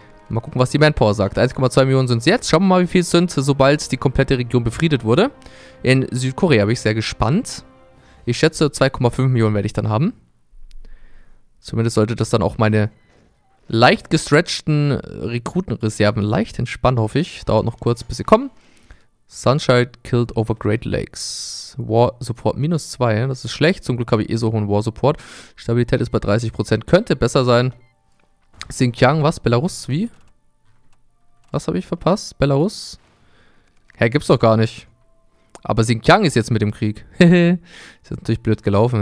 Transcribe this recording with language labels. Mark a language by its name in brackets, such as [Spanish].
[German] Mal gucken, was die Manpower sagt. 1,2 Millionen sind es jetzt. Schauen wir mal, wie viel es sind, sobald die komplette Region befriedet wurde. In Südkorea bin ich sehr gespannt. Ich schätze, 2,5 Millionen werde ich dann haben. Zumindest sollte das dann auch meine leicht gestretchten Rekrutenreserven leicht entspannen, hoffe ich. Dauert noch kurz, bis sie kommen. [English] Sunshine killed over Great Lakes. [German] War Support minus 2, das ist schlecht. Zum Glück habe ich eh so hohen War Support. Stabilität ist bei 30%, könnte besser sein. Xinjiang, was? Belarus, wie? Was habe ich verpasst? Belarus? Hä, gibt's doch gar nicht. Aber Xinjiang ist jetzt mit dem Krieg. Ist natürlich blöd gelaufen.